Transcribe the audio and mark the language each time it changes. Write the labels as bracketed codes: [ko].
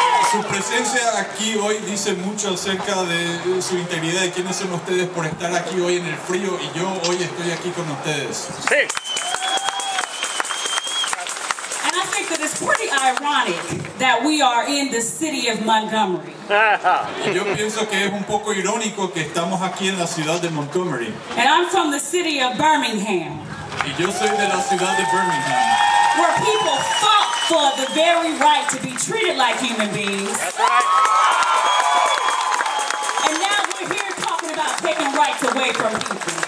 [es] Su presencia aquí hoy dice mucho acerca de su integridad y quiénes son ustedes por estar aquí hoy en el frío y yo hoy estoy aquí con ustedes. [en] Hey. And I think that it's pretty ironic that we are in the city of Montgomery. [es] Yo pienso que es un poco irónico que estamos aquí en la ciudad de Montgomery. [en] And I'm from the city of Birmingham. [es] Y yo soy de la ciudad de Birmingham. [en] Where people fought for the very right to be treated like human beings. That's right. And now we're here talking about taking rights away from people.